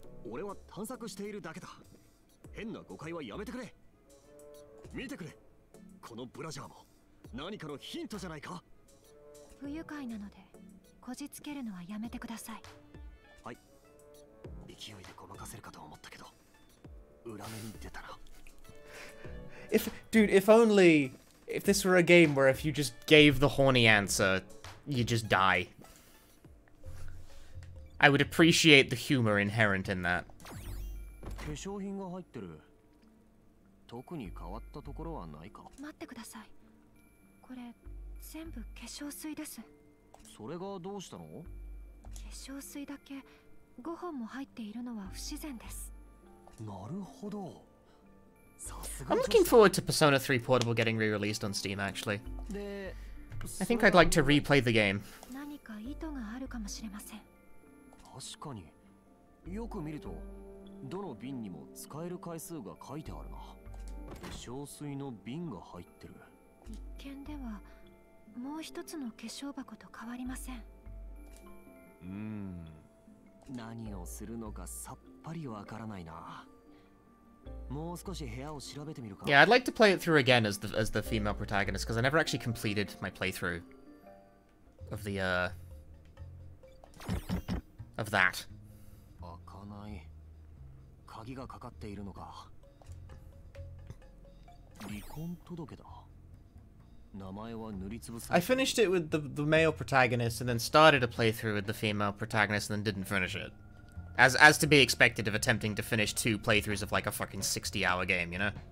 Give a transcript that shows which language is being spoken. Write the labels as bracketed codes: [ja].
[ja] 俺は探索しているだけだ。変な誤解はやめてくれ。見てくれ。このブラジャーも何かのヒントじゃないか。不愉快なので。こじつけるのはやめてください。はい。勢いでごまかせるかと思ったけど、裏目に出たな。 [en] If, dude, if only, if this were a game where if you just gave the horny answer, you just die. I would appreciate the humor inherent in that. [ja] 化粧品が入ってる。特に変わったところはないか。待ってください。これ全部化粧水です。それがどうしたの？化粧水だけ5本も入っているのは不自然です。なるほど。 [en] I'm looking forward to Persona 3 Portable getting re-released on Steam, actually. [ja] で、 [en] I think I'd like to replay the game. [ja] 何か意図があるかもしれません。確かに。よく見ると、どの瓶にも使える回数が書いてあるな。化粧水の瓶が入ってる。一見では。もう一つの化粧箱と変わりません。何をするのかさっぱりわからないな。もう少し部屋を調べてみるか。 [en] Yeah, I'd like to play it through again as the female protagonist, because I never actually completed my playthrough of the, of that. [ja] 開かない。鍵がかかっているのか。離婚届だ。 [en] I finished it with the male protagonist and then started a playthrough with the female protagonist and then didn't finish it. As to be expected of attempting to finish two playthroughs of like a fucking 60 hour game, you know?